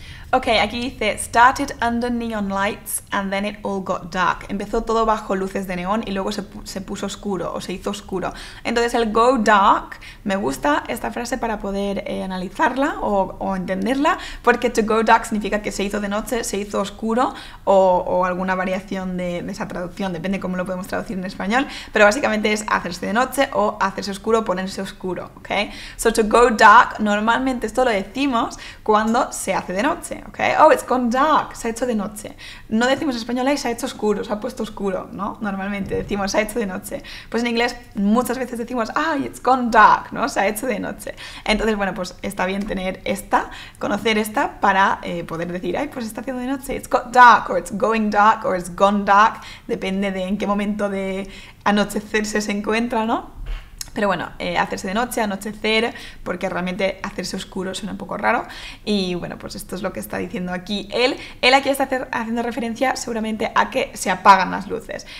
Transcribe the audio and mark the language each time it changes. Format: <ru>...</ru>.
<en>Ok, aquí dice, started under neon lights and then it all got dark.</en> <es>Empezó todo bajo luces de neón y luego se puso oscuro o se hizo oscuro. Entonces el go dark, me gusta esta frase para poder analizarla o entenderla, porque to go dark significa que se hizo de noche, se hizo oscuro o alguna variación de esa traducción, depende cómo lo podemos traducir en español, pero básicamente es hacerse de noche o hacerse oscuro, ponerse oscuro, ¿ok? So to go dark, normalmente esto lo decimos cuando se hace de noche. Okay. Oh, it's gone dark, se ha hecho de noche. No decimos en español, se ha hecho oscuro, se ha puesto oscuro, ¿no? Normalmente decimos, se ha hecho de noche. Pues en inglés muchas veces decimos, ay, it's gone dark, ¿no? Se ha hecho de noche. Entonces, bueno, pues está bien tener esta, conocer esta para poder decir, ay, pues está haciendo de noche.</es> <en>It's got dark, or it's going dark, or it's gone dark.</en> <es>Depende de en qué momento de anochecer se encuentra, ¿no? Pero bueno, hacerse de noche, anochecer, porque realmente hacerse oscuro suena un poco raro. Y bueno, pues esto es lo que está diciendo aquí él. Él aquí está haciendo referencia seguramente a que se apagan las luces.</es>